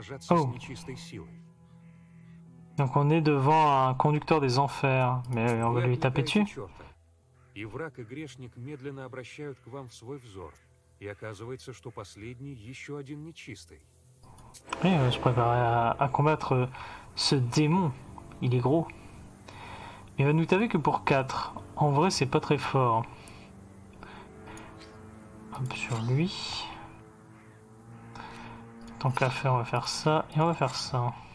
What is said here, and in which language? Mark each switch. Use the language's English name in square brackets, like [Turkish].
[French] Oh. Donc on est devant un conducteur des enfers. Mais on va lui taper dessus. [Russian] И враг и грешник медленно обращают к вам свой взор, и оказывается, что последний еще один нечистый. Я же [French] préparé à combattre ce démon. Il est gros. Mais vous savez que pour 4, en vrai, c'est pas très fort. Hop, sur lui. Tant qu'à faire, on va faire ça et on va faire ça.